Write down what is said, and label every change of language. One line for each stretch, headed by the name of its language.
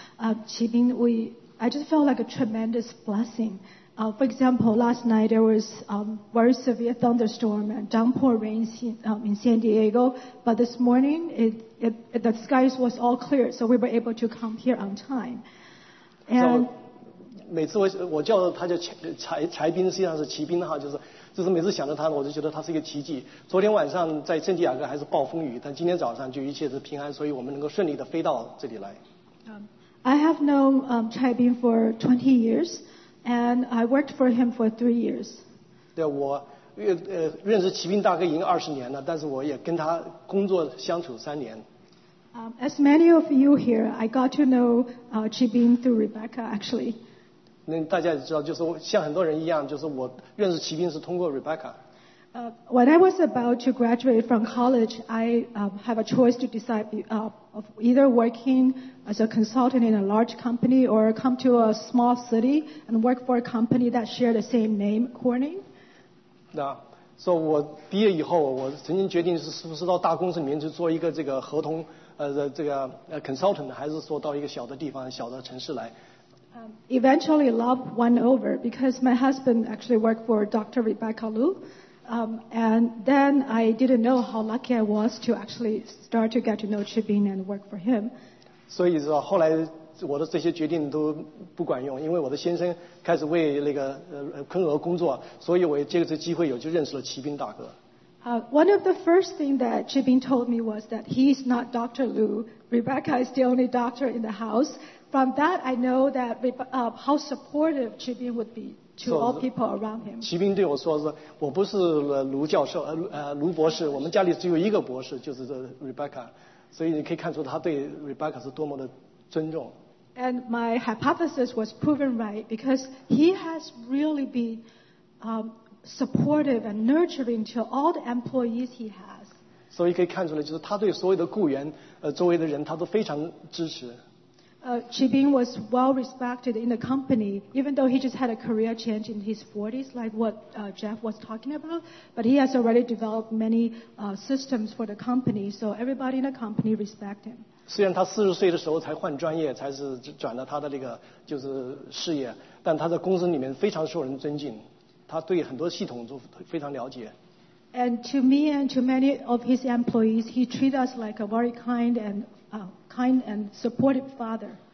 English: Chi Bing, I just felt like a tremendous blessing. For example, last night there was very severe thunderstorm and downpour rain in San Diego. But this morning, the skies was all clear, so we were able to come here on time. And,
Chinese: 每次我叫他叫柴兵，实际上是骑兵哈，就是每次想着他，我就觉得他是一个奇迹。昨天晚上在圣地亚哥还是暴风雨，但今天早上就一切是平安，所以我们能够顺利的飞到这里来。
English: I have known Chai Bin for 20 years, and I worked for him for 3 years.
Chinese: 对，我认识骑兵大哥已经20年了，但是我也跟他工作相处3年。
English: As many of you here, I got to know Chi Bin through Rebecca, actually.
Chinese: 那大家也知道，就是像很多人一样，就是我认识骑兵是通过 Rebecca。
English: When I was about to graduate from college, I have a choice to decide of either working as a consultant in a large company or come to a small city and work for a company that share the same name, Corning.
Chinese: 那，所以我毕业以后，我曾经决定是不是到大公司里面去做一个这个合同。 consultant 还是说到一个小的地方小的城市来。
English: Eventually love won over because my husband actually worked for Dr. Rebecca Liu, and then I didn't know how lucky I was to actually start to get to know Chi Bin and work for him.
Chinese: 所以说后来我的这些决定都不管用，因为我的先生开始为那个昆俄工作，所以我借这个机会就认识了骑兵大哥。
English: One of the first things that Chi Bin told me was that he's not Dr. Liu. Rebecca is the only doctor in the house. From that, I know that how supportive Chi Bin would be to all people around him.
Chinese: Chi Bin 对我说是，我不是卢教授，卢博士，我们家里只有一个博士，就是 Rebecca. 所以你可以看出他对 Rebecca 是多么的尊重。
English: And my hypothesis was proven right because he has really been supportive and nurturing to all the employees he has. So you can
Chinese: 看出来，就是他对所有的雇员，周围的人，他都非常支持。
English: Chi Bin was well respected in the company, even though he just had a career change in his 40s, like what Jeff was talking about. But he has already developed many systems for the company, so everybody in the company respect him.
Chinese: 虽然他40岁的时候才换专业，才是转了他的那个就是事业，但他在公司里面非常受人尊敬。他对很多系统都非常了解。
English: And to me and to many of his employees, he treats us like a very kind and supportive father.